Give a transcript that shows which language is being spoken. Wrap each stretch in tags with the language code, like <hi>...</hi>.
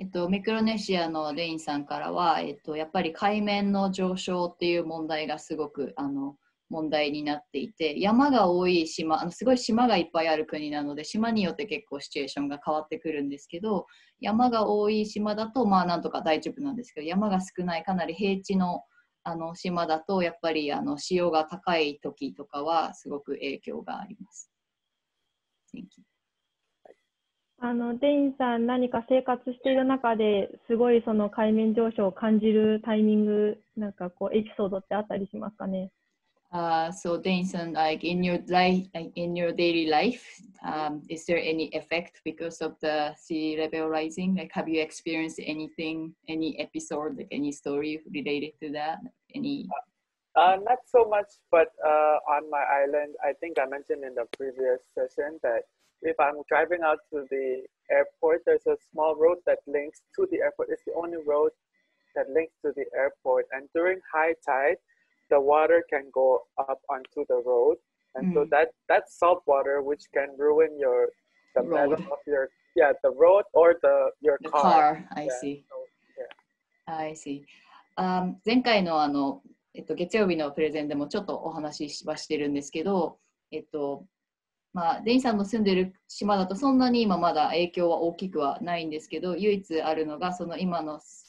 <ja>ミクロネシアのレインさんからは、やっぱり海面の上昇っていう問題がすごく問題になっていて、山が多い島、すごい島がいっぱいある国なので、島によって結構シチュエーションが変わってくるんですけど、山が多い島だと、まあなんとか大丈夫なんですけど、山が少ない、かなり平地の島だと、やっぱり潮が高い時とかはすごく影響があります。</ja> <en>Thank you.</en> <ja>デインさん、何か生活している中ですごいその海面上昇を感じるタイミング、なんかこうエピソードってあったりしますかね？</ja> <en>So, デインさん、like in your life, in your daily life, is there any effect because of the sea level rising? Like, have you experienced anything, any episode, like any story related to that? Not so much, but on my island, I think I mentioned in the previous session that. If I'm driving out to the airport, there's a small road that links to the airport. It's the only road that links to the airport. And during high tide, the water can go up onto the road. And so that salt water, which can ruin the metal of your, the road or your car. I see.</en> <ja>前回の月曜日のプレゼンでもちょっとお話ししはしてるんですけど、まあ、デインさんの住んでる島だとそんなに今まだ影響は大きくはないんですけど、唯一あるのがその今 の</ja>